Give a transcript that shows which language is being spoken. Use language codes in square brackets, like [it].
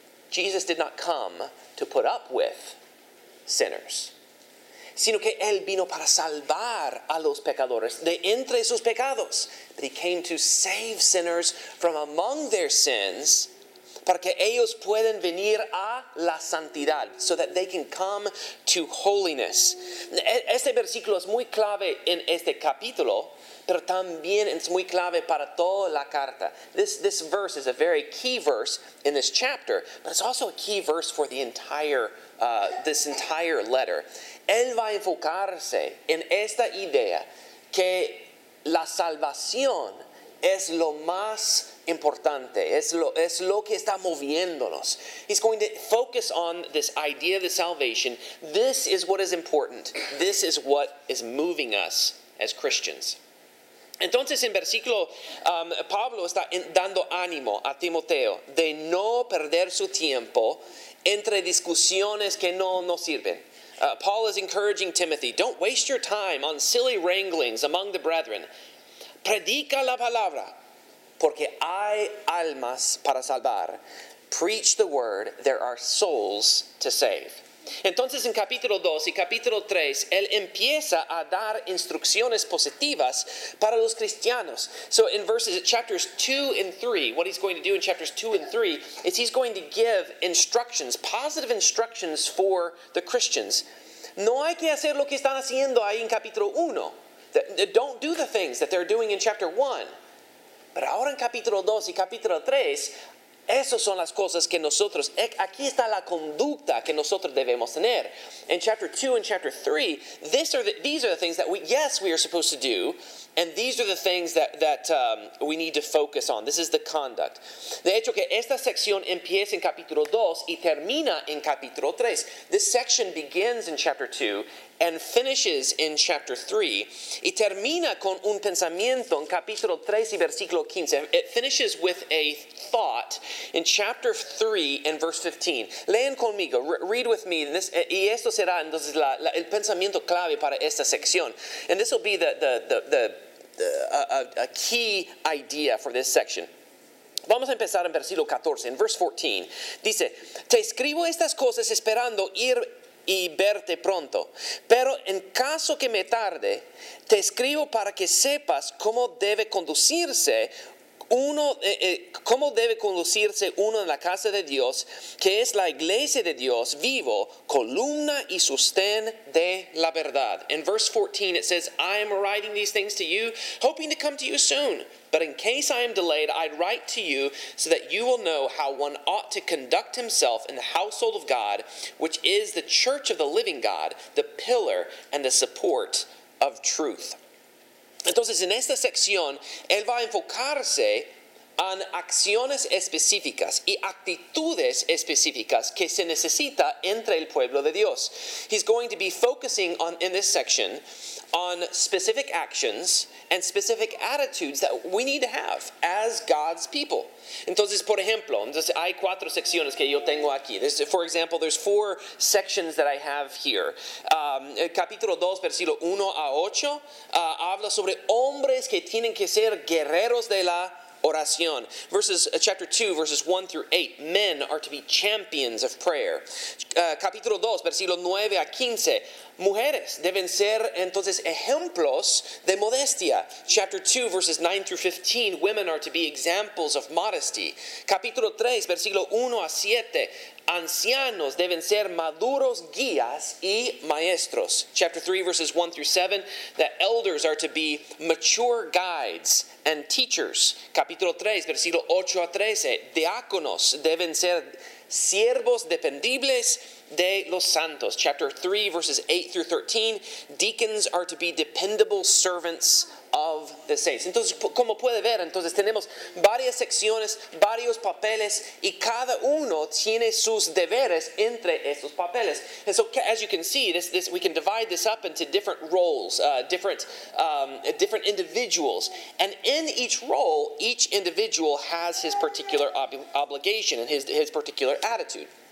[en] Jesus did not come to put up with sinners, [es] sino que Él vino para salvar a los pecadores de entre sus pecados. [en] But He came to save sinners from among their sins, [es] para que ellos puedan venir a la santidad, [en] so that they can come to holiness. [es] Este versículo es muy clave en este capítulo, pero también es muy clave para toda la carta. [en] This verse is a very key verse in this chapter, but it's also a key verse for the entire this entire letter. [es] Él va a enfocarse en esta idea que la salvación es lo más importante, es lo que está moviéndonos. [en] He's going to focus on this idea of the salvation. This is what is important. This is what is moving us as Christians. [es] Entonces, en versículo, Pablo está dando ánimo a Timoteo de no perder su tiempo entre discusiones que no sirven. [en] Paul is encouraging Timothy, don't waste your time on silly wranglings among the brethren. [es] Predica la palabra, porque hay almas para salvar. [en] Preach the word, there are souls to save. [es] Entonces, en capítulo 2 y capítulo 3, él empieza a dar instrucciones positivas para los cristianos. [en] So, in verses, chapters 2 and 3, what he's going to do in chapters 2 and 3 is he's going to give instructions, positive instructions for the Christians. [es] No hay que hacer lo que están haciendo ahí en capítulo 1. [en] Don't do the things that they're doing in chapter 1. [es] But ahora en capítulo 2 y capítulo 3, esas son las cosas que nosotros, aquí está la conducta que nosotros debemos tener. [en] In chapter 2 and chapter 3, these are the things that we are supposed to do, and these are the things that we need to focus on. This is the conduct. [es] De hecho, que esta sección empieza en capítulo 2 y termina en capítulo 3. [en] This section begins in chapter 2 and finishes in chapter 3. [es] Y termina con un pensamiento en capítulo 3 y versículo 15. [en] It finishes with a thought in chapter 3 and verse 15. [es] Lean conmigo, [en] read with me. [es] Y esto será entonces el pensamiento clave para esta sección. [en] And this will be a key idea for this section. [es] Vamos a empezar en versículo 14, en verse 14. Dice, te escribo estas cosas esperando ir y verte pronto. Pero en caso que me tarde, te escribo para que sepas cómo debe conducirse uno en la casa de Dios, que es la iglesia de Dios vivo, columna y sostén de la verdad. [en] In verse 14 it says, I am writing these things to you, hoping to come to you soon. But in case I am delayed, I write to you so that you will know how one ought to conduct himself in the household of God, which is the church of the living God, the pillar and the support of truth. [es] Entonces, en esta sección, él va a enfocarse en acciones específicas y actitudes específicas que se necesita entre el pueblo de Dios. [en] He's going to be focusing on, in this section, on specific actions and specific attitudes that we need to have as God's people. [es] Entonces, por ejemplo, hay cuatro secciones que yo tengo aquí. [en] For example, there's four sections that I have here. [es] Capítulo 2, versículo 1 a 8, habla sobre hombres que tienen que ser guerreros de la oración. [en] Verses, chapter 2, verses 1 through 8, men are to be champions of prayer. [es] Capítulo 2, versículo 9 a 15, mujeres deben ser entonces ejemplos de modestia. [en] Chapter 2, verses 9 through 15, women are to be examples of modesty. [es] Capítulo 3, versículo 1 a 7, ancianos deben ser maduros guías y maestros. [en] Chapter 3, verses 1 through 7, that elders are to be mature guides and teachers. [es] Capítulo 3, versículo 8 a 13, diáconos deben ser siervos dependibles de los santos. [en] Chapter 3, verses 8 through 13, deacons are to be dependable servants of the saints. [es] Entonces, como puede ver, entonces tenemos varias secciones, varios papeles, y cada uno tiene sus deberes entre esos papeles. [en] And so, as you can see, this we can divide this up into different roles, different individuals. And in each role, each individual has his particular obligation and his particular attitude.